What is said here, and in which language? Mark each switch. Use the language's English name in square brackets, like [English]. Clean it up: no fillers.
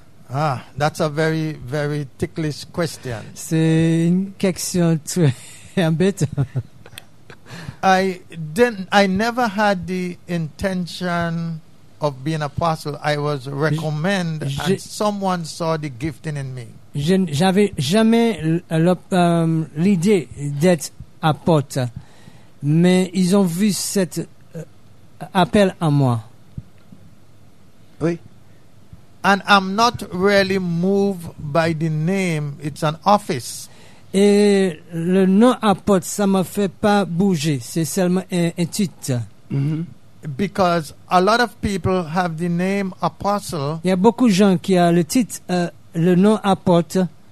[English] Ah, that's a very, very ticklish question. [French] C'est une question très... [English] I never had the intention of being an apostle. I was recommended, and someone saw the gifting in me. [French] J'avais jamais l'idée d'être apôtre, mais ils ont vu cet appel en moi. Oui. [English] And I'm not really moved by the name. It's an office. [French] Et le nom apôtre, ça m'a fait pas bouger. C'est seulement un titre. Mm-hmm. [English] Because a lot of people have the name apostle. [French] Il y a beaucoup de gens qui a le titre, le nom apôtre.